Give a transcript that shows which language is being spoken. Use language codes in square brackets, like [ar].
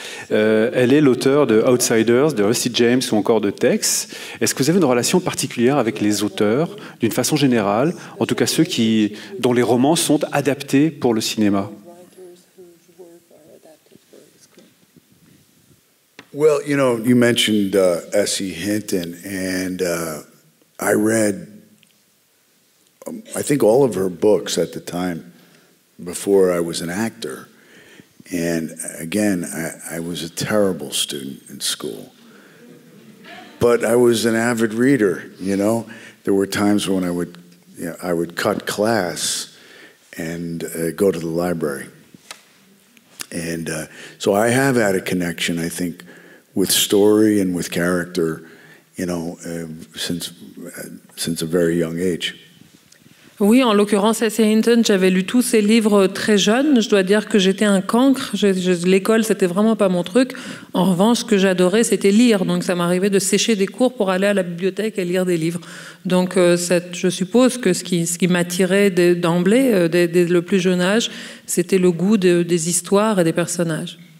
[fr] Elle est l'auteur de Outsiders, de Rusty James ou encore de Tex. Est-ce que vous avez une relation particulière avec les auteurs, d'une façon générale, en tout cas ceux dont les romans sont adaptés pour le cinéma ? [en] Well, you know, you mentioned S.E. Hinton, and I read, I think, all of her books at the time before I was an actor. And again, I was a terrible student in school. But I was an avid reader, you know. There were times when I would cut class and go to the library. And so I have had a connection, I think, with story and with character, you know, since a very young age. [fr] Oui, en l'occurrence, S.A. Hinton, j'avais lu tous ses livres très jeune. Je dois dire que j'étais un cancre. L'école, c'était vraiment pas mon truc. En revanche, ce que j'adorais, c'était lire. Donc, ça m'arrivait de sécher des cours pour aller à la bibliothèque et lire des livres. Donc, je suppose que ce qui m'attirait d'emblée, dès le plus jeune âge, c'était le goût des histoires et des personnages.